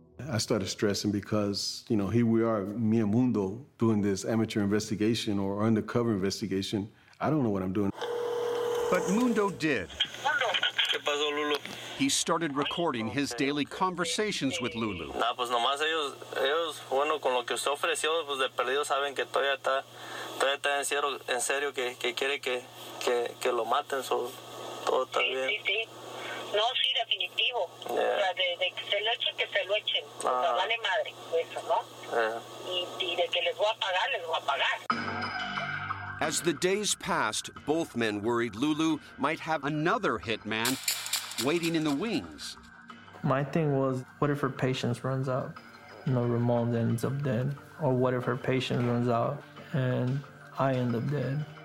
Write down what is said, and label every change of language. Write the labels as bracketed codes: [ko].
[en] I started stressing because, you know, here we are, me and Mundo, doing this amateur investigation or undercover investigation. I don't know what I'm doing. But Mundo did. [es] Mundo. ¿Qué pasó, Lulu? [en] He started recording his daily conversations with Lulu. [es] Ah, pues nomás ellos, bueno, con lo que usted ofreció, pues de perdido saben que todavía está en serio que quiere que lo maten, so, todo está bien. Sí, sí, sí. No, sí, definitivo. [en] Yeah. [es] O sea, de que se lo echen, que se lo echen. O sea, vale madre eso, ¿no? [en] Yeah. [es] Y de que les voy a pagar, les voy a pagar. [en] As the days passed, both men worried Lulu might have another hitman waiting in the wings. My thing was, what if her patience runs out? No, Ramon ends up dead. Or what if her patience runs out and I end up dead?